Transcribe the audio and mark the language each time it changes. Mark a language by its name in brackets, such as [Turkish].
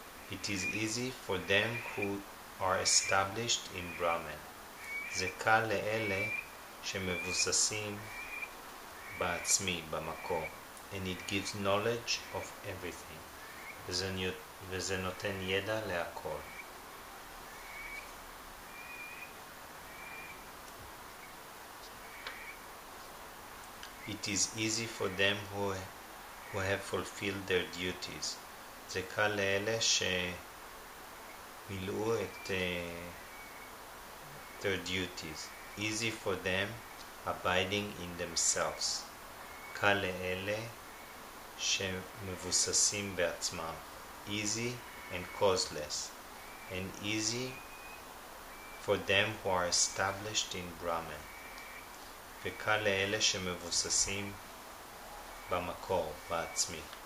[English] It is easy for them who are established in Brahman. [Hebrew] זה קל לאלה שמבוססים בעצמי, במקום. [English] And it gives knowledge of everything. [Hebrew] וזה נותן. וזה נותן ידע להכל. [English] It is easy for them who have fulfilled their duties. [Hebrew] זה קל לאלה שמילאו את [English] their duties. Easy for them abiding in themselves. [Hebrew] קל לאלה שמבוססים בעצמם. [English] Easy and causeless, and easy for them who are established in Brahman. [Hebrew] וקל לאלה שמבוססים במקור, בעצמי.